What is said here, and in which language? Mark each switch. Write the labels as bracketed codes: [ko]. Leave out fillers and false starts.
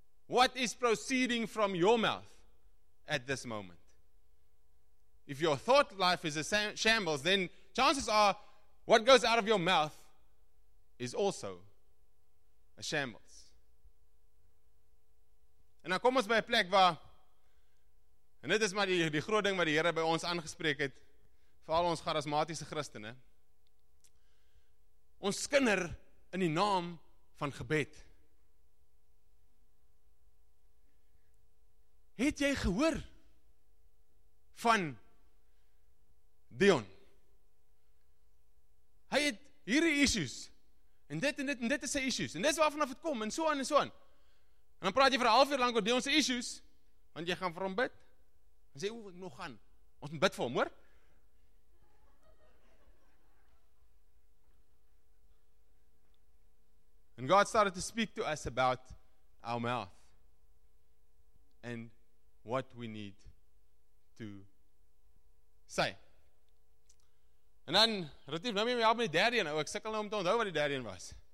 [en] What is proceeding from your mouth at this moment? If your thought life is a shambles, then chances are what goes out of your mouth is also a shambles. [af] En nou kom ons by 'n plek waar, en dit is maar die groot ding wat die Here by ons aangespreek het, veral ons charismatiese Christene. Ons skinder in die naam van gebed. Het jy gehoor van Dion? Hy het hierdie issues, en dit en dit en dit is sy issues, en dit is waar vanaf het kom, en so aan en so aan. En dan praat jy vir 'n half uur lank oor Dion se issues, want jy gaan vir hom bid, en sê, hoe ek nog gaan, ons moet bid vir hom, hoor? [en] And God started to speak to us about our mouth, and what we need to say. [af] En dan, Ratief, nou moet jy help met die derde een, ek sukkel nou om te onthou wat die derde een was.